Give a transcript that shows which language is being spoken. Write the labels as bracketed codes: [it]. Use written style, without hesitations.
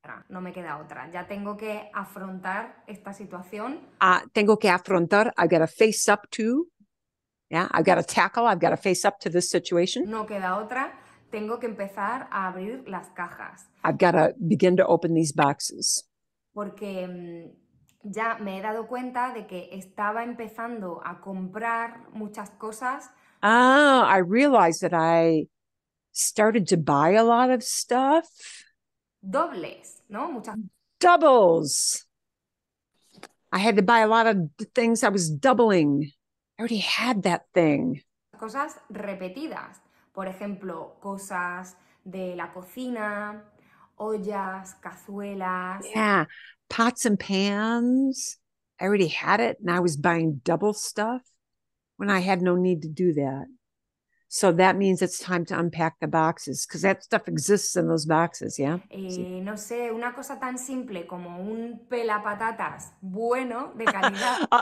[es] No me queda otra. Ya tengo que afrontar esta situación. [en] Tengo que afrontar. I've got to face up to. Yeah, I've got to tackle. I've got to face up to this situation. [es] No queda otra. Tengo que empezar a abrir las cajas. [en] I've got to begin to open these boxes. [es] Porque ya me he dado cuenta de que estaba empezando a comprar muchas cosas. [en] Oh, I realized that I started to buy a lot of stuff. [es] Dobles, ¿no? Muchas. [en] Doubles. I had to buy a lot of things. I was doubling. I already had that thing. [es] Cosas repetidas. Por ejemplo, cosas de la cocina, ollas, cazuelas. [en] Yeah, pots and pans. I already had it and I was buying double stuff when I had no need to do that. So that means it's time to unpack the boxes because that stuff exists in those boxes, yeah? [es] No sé, una cosa tan simple como un pelapatatas bueno de calidad.